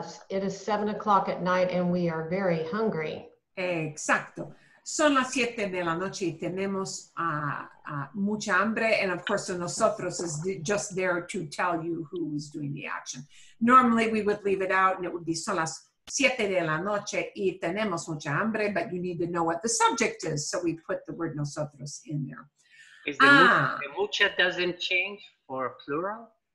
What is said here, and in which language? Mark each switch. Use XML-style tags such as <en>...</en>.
<en>It is 7 o'clock at night and we are very hungry.</en> <es>Exacto. Son las siete de la noche y tenemos mucha hambre.</es> <en>And of course, nosotros is just there to tell you who is doing the action. Normally, we would leave it out and it would be</en> <es>son las siete de la noche y tenemos mucha hambre,</es> <en>but you need to know what the subject is. So we put the word nosotros in there. Is the mucha doesn't change for plural?</en>